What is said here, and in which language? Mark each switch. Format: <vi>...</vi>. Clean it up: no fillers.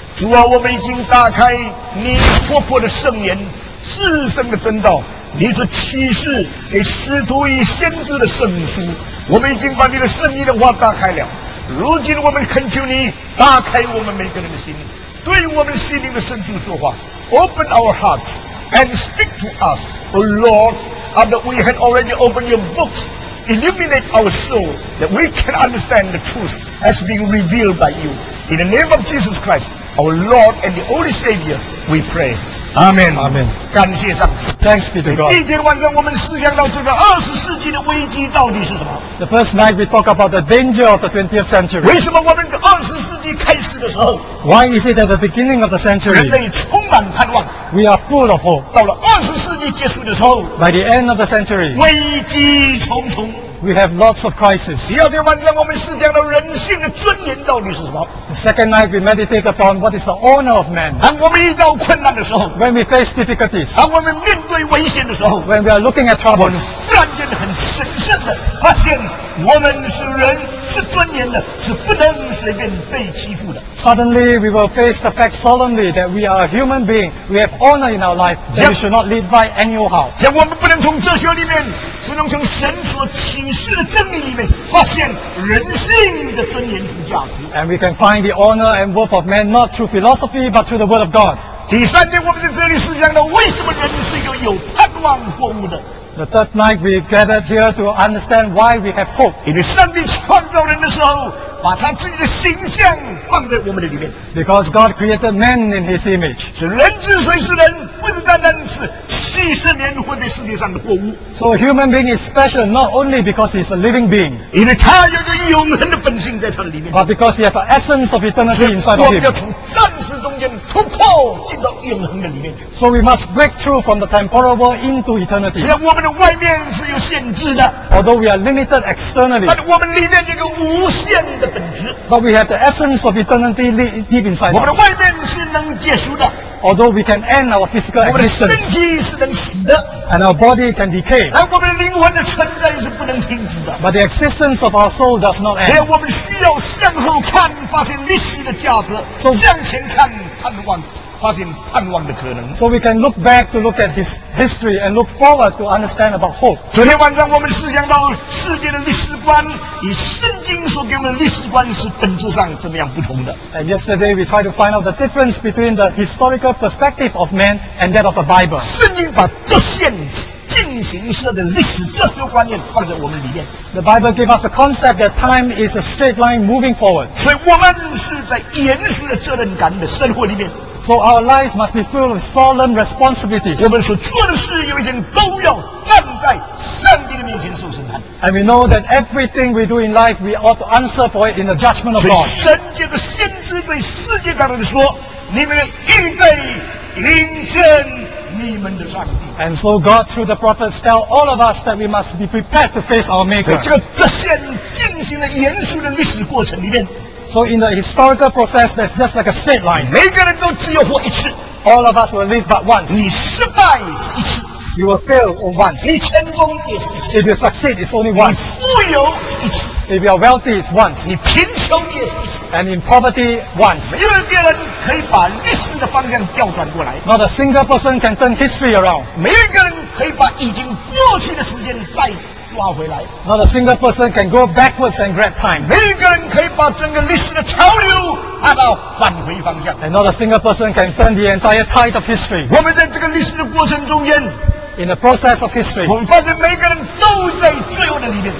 <zh>主啊，我们已经打开你活泼的圣言，至圣的真道。你是启示给师徒与先知的圣书，我们已经把你的圣意的话打开了。如今我们恳求你打开我们每个人的心，对我们心灵的深处说话。</zh> <en>Open our hearts and speak to us, O Lord, after we had already opened your books. Illuminate our soul that we can understand the truth as being revealed by you. In the name of Jesus Christ, our Lord and the Holy Savior, we pray. Amen, Amen.</en> <zh>感谢上帝。</zh> <en>Thanks be to God.</en> <zh>第一天晚上我们思想到这个二十世纪的危机到底是什么。</zh> <en>The first night we talk about the danger of the 20th century.</en> <zh>为什么我们二十世纪开始的时候</zh> <en>？Why is it at the beginning of the century?</en> <zh>人类充满盼望。</zh> <en>We are full of hope.</en> <zh>到了二十世纪结束的时候</zh> <en>，By the end of the century,</en> <zh>危机重重。</zh> <en>We have lots of crises.</en> <zh>第二天晚上我们思想到人性的尊严到底是什么。</zh> <en>The second night we meditate upon what is the honor of man.</en> <zh>当我们遇到困难的时候</zh> <en>，When we face difficulties.</en> <zh>当我们面对危险的时候</zh> <en>，When we are looking at troubles.</en> <zh>我们突然间很审慎的发现，我们是人，是尊严的，是不能随便被欺负的。</zh> <en>Suddenly we will face the fact solemnly that we are a human being. We have honor in our life. That we should not live by anyhow.</en> <zh>且我们不能从哲学里面，只能从神所启示的真理里面发现人性的尊严和价值。</zh> <en>And we can find the honor and worth of man not through philosophy but through the word of God.</en> <zh>第三天我们在这里思想到为什么人是一个有盼望活物的。</zh> <en>The third night we gathered here to understand why we have hope.</en> <zh>因为上帝创造人的时候，把他自己的形象放在我们的里面。</zh> <en>Because God created man in His image.</en> <zh>所以人之所以是人，不是单单是几十年活在世界上的活物。</zh> <en>So a human being is special not only because he's a living being.</en> <zh>因为他有个永恒的本性在他的里面。</zh> <en>But because he has an essence of eternity inside of him.</en> <zh>所以我们要从暂时中间突破进到永恒的里面去。</zh> <en>So we must break through from the temporal world into eternity.</en> <zh>虽然我们的外面是有限制的。</zh> <en>Although we are limited externally.</en> <zh>但我们里面有个无限的本质。</zh> <en>But we have the essence of eternity deep inside us.</en> <zh>我们的外面是能结束的。</zh> <en>Although we can end our physical existence,</en> <zh>我们的身体是能死的</zh> <en>and our body can decay,</en> <zh>而我们的灵魂的存在是不能停止的</zh> <en>but the existence of our soul does not end.</en> <zh>而我们需要向后看，发现历史的价值 so, 向前看，盼望，发现盼望的可能</zh> <en>so we can look back to look at his history and look forward to understand about hope.</en> <zh>昨天晚上我们思想到世界的历史观，以圣经所给我们的历史观是本质上怎么样不同的。</zh> <en>And yesterday we tried to find out the difference between the historical perspective of man and that of the Bible.</en> <zh>圣经把这线进行式的历史哲学观念放在我们里面。</zh> <en>The Bible gave us the concept that time is a straight line moving forward.</en> <zh>所以我们是在严肃的责任感的生活里面。</zh> <en>So our lives must be full of solemn responsibilities.</en> <zh>我们所做的事有一天都要站在上帝的面前受审判。</zh> <en>And we know that everything we do in life, we ought to answer for it in the judgment of God.</en> <zh>所以神界的先知对世界当中说，你们应该迎接你们的上帝。</zh> <en>And so God through the prophets tell all of us that we must be prepared to face our Maker.</en> <zh>所以这个这些进行的严肃的历史过程里面。</zh> <en>So in the historical process, that's just like a straight line.</en> <zh>每个人都只有活一次。</zh> <en>All of us will live but once.</en> <zh>你失败一次。</zh> <en>You will fail once.</en> <zh>你成功也是一次。</zh> <en>If you succeed, it's only once.</en> <zh>你富有一次。</zh> <en>If you are wealthy, it's once.</en> <zh>你贫穷也是一次。</zh> <en>And in poverty, once.</en> <zh>没有别人可以把历史的方向调转过来。</zh> <en>Not a single person can turn history around.</en> <zh>每个人可以把已经过去的时间再抓回来。</zh> <en>Not a single person can go backwards and grab time.</en> <zh>每个人可以把整个历史的潮流按照返回方向。</zh> <en>And not a single person can turn the entire tide of history.</en> <zh>我们在这个历史的过程中间。</zh> <en>In the process of history.</en> <zh>我们发现每个人都在罪恶的里面。</zh>